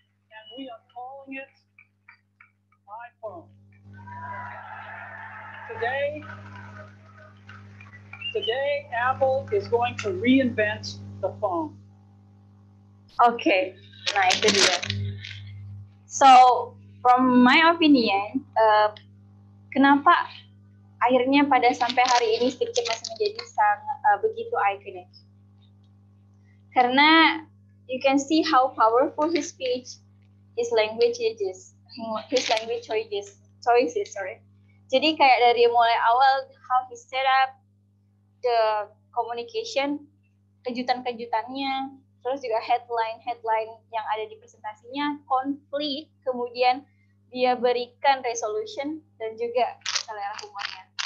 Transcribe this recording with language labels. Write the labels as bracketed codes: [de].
[en] And we are calling it iPhone. Today, Apple is going to reinvent the phone. Okay, nice idea. So, from my opinion, [id] kenapa akhirnya pada sampai hari ini Steve Jobs masih menjadi begitu iconic? Karena [en] you can see how powerful his speech, his language is, his language choices, sorry. [id] Jadi kayak dari mulai awal, [en] how he set up the communication, [id] kejutan-kejutannya, terus juga headline-headline yang ada di presentasinya, konflik, kemudian dia berikan resolution, dan juga selera humornya.